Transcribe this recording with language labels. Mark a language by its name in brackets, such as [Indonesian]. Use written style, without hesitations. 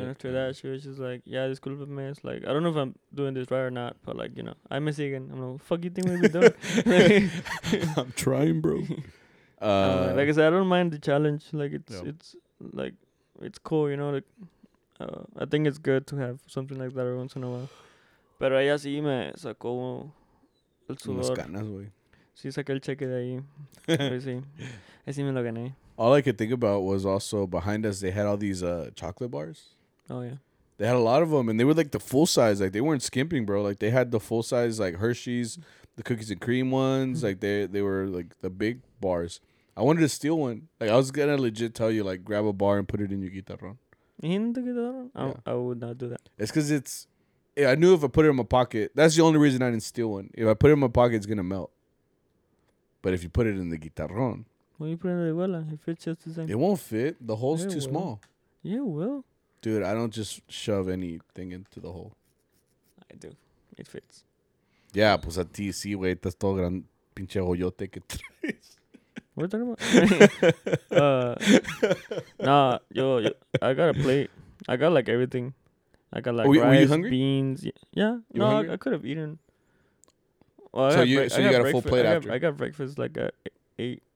[English] And after that, she was just like, "Yeah, this cool me." It's like, I don't know if I'm doing this right or not, but, like, you know, I'm Mexican. I'm like, what the fuck you think we're doing? I'm trying, bro. Like I said, I don't mind the challenge. Like it's like it's cool, you know. Like, I think it's good to have something like that every once in a while. [Spanish] Pero ella sí me sacó el sudor. Unas canas, güey. Sí, saqué el cheque de ahí. Sí. Así me lo gané. [English] All I could think about was also behind us, they had all these chocolate bars. Oh, yeah. They had a lot of them, and they were, like, the full size. Like, they weren't skimping, bro. Like, they had the full size, like, Hershey's, the cookies and cream ones. Like, they were, like, the big bars. I wanted to steal one. Like, I was going to legit tell you, like, grab a bar and put it in your guitarrón. In the guitarrón? Yeah. I would not do that. It's because it's... Yeah, I knew if I put it in my pocket... That's the only reason I didn't steal one. If I put it in my pocket, it's going to melt. But if you put it in the guitarrón... When you put it in the guitarrón, it fits just the same. It won't fit. The hole's too small. Yeah, it will. Dude, I don't just shove anything into the hole. I do. It fits. [Spanish] Yeah, pues a ti sí, güey. Estás todo gran pinche hoyote que traes. [English] What are you talking about? nah, yo, I got a plate. I got, like, everything. I got, like, rice, were you hungry? Beans. Yeah. No, I could have eaten... Well, so you got a full plate after? I got breakfast like at 8.